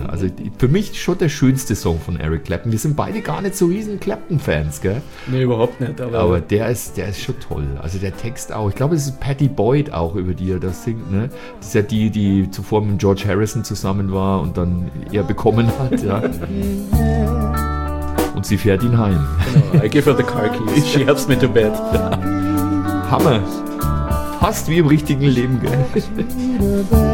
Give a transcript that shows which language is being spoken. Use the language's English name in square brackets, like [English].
[German] Also für mich schon der schönste Song von Eric Clapton. Wir sind beide gar nicht so riesen Clapton-Fans, gell? Nee, überhaupt nicht. Aber der ist schon toll. Also der Text auch. Ich glaube, es ist Patti Boyd auch, über die er das singt, ne? Das ist ja die, die zuvor mit George Harrison zusammen war und dann er bekommen hat, ja. Und sie fährt ihn heim. Genau, [English] I give her the car keys, she helps me to bed. [German] Ja. Hammer. Fast wie im richtigen Leben, gell?